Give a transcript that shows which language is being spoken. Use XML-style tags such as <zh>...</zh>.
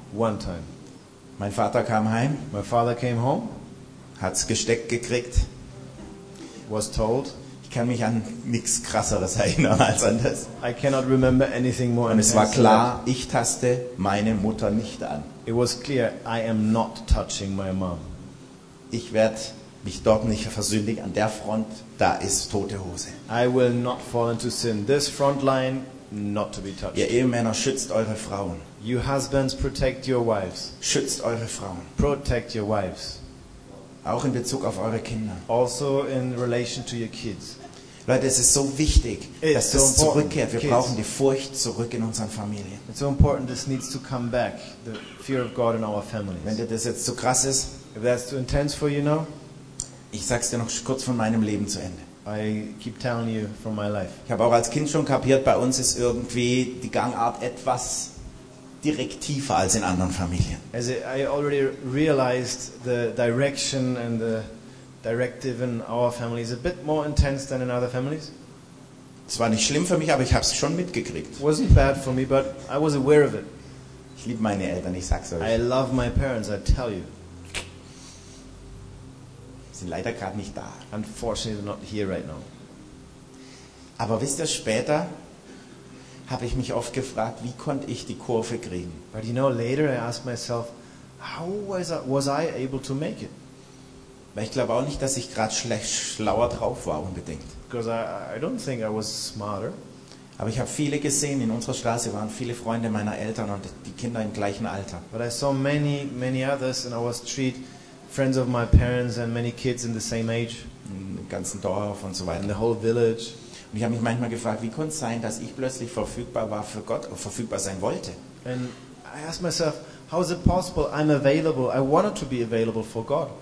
<en>One time.</en> <de>Mein Vater kam heim.</de> <en>My father came home.</en> <de>Hat's gesteckt gekriegt.</de> <en>Was told.</en> <de>Ich kann mich an nichts Krasseres erinnern als an das.</de> <en>I cannot remember anything more.</en> <de>Und es war klar, ich taste meine Mutter nicht an.</de> <en>It was clear, I am not touching my mom.</en> <de>Ich werde mich dort nicht versündigen, an der Front, da ist tote Hose.</de> <en>I will not fall into sin. This front line, not to be touched.</en> <de>Ihr Ehemänner, schützt eure Frauen.</de> <en>You husbands, protect your wives.</en> <de>Schützt eure Frauen.</de> <en>Protect your wives.</en> <de>Auch in Bezug auf eure Kinder.</de> <en>Also in relation to your kids.</en> <de>Leute, es ist so wichtig,</de> <en>it's</en> <de>dass</de> <en>so</en> <de>das zurückkehrt. Wir brauchen die Furcht zurück in unseren Familien.</de> <en>It's so important this needs to come back, the fear of God in our families.</en> <de>Wenn dir das jetzt zu krass ist,</de> <en>if that's too intense for you now,</en> <de>ich sag's dir noch kurz von meinem Leben zu Ende.</de> <en>I keep telling you from my life.</en> <de>Ich habe auch als Kind schon kapiert, bei uns ist irgendwie die Gangart etwas direktiver als in anderen Familien.</de> <en>As I already realized the direction and the directive in our family is a bit more intense than in other families.</en> <de>Es war nicht schlimm für mich, aber ich habe es schon mitgekriegt.</de> <en>It wasn't bad for me, but I was aware of it.</en> <de>Ich liebe meine Eltern, ich sag's euch.</de> <en>I love my parents, I tell you.</en> <de>Sind leider gerade nicht da.</de> <en>Unfortunately, they're not here right now.</en> <de>Aber wisst ihr, später habe ich mich oft gefragt, wie konnte ich die Kurve kriegen?</de> <en>But you know, later I asked myself, how was I able to make it?</en> <de>Weil ich glaube auch nicht, dass ich gerade schlauer drauf war unbedingt.</de> <en>Because I don't think I was smarter.</en> <de>Aber ich habe viele gesehen, in unserer Straße waren viele Freunde meiner Eltern und die Kinder im gleichen Alter.</de> <en>But I saw many, many others in our street, friends of my parents and many kids in the same age,</en> <de>im ganzen Dorf und so weiter,</de> <en>in the whole village.</en> <de>Und ich habe mich manchmal gefragt, wie konnte es sein, dass ich plötzlich verfügbar war für Gott und verfügbar sein wollte.</de> <en>And I asked myself, how is it possible I'm available, I wanted to be available for God.</en>